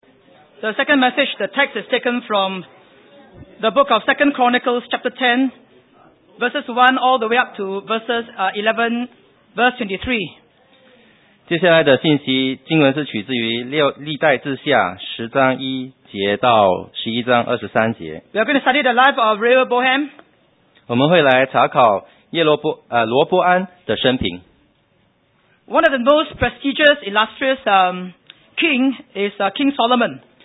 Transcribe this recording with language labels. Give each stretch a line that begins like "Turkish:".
English: The second message, the text is taken from the book of 2 Chronicles, chapter 10, verses 1 all the way up to verses 11, verse 23.
Chinese: 接下来的信息经文是取自于历代志下十章一节到十一章二十三节。
English: We are going to study the life of Rehoboam.
Chinese: 我们会来查考罗波安的生平。
English: One of the most prestigious, illustrious king is King Solomon.